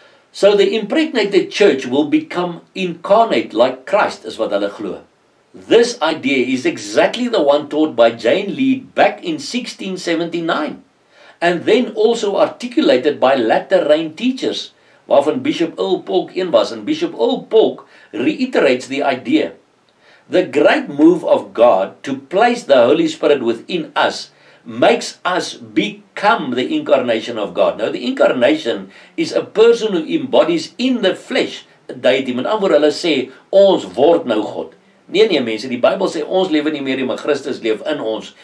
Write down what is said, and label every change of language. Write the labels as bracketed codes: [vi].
[en] So the impregnated church will become incarnate like Christ, [af] is wat hulle glo. [en] This idea is exactly the one taught by Jane Lead back in 1679, and then also articulated by Latter Rain teachers, [af] waarvan Bishop Ulpok een was, en Bishop Ulpok [en] reiterates the idea. The great move of God to place the Holy Spirit within us makes us become the incarnation of God. Now, the incarnation is a person who embodies in the flesh deity. [af] Met ander woord, hulle sê, ons word nou God. Nee, nee, mense, die Bybel sê, ons lewe nie meer, maar Christus leef in ons.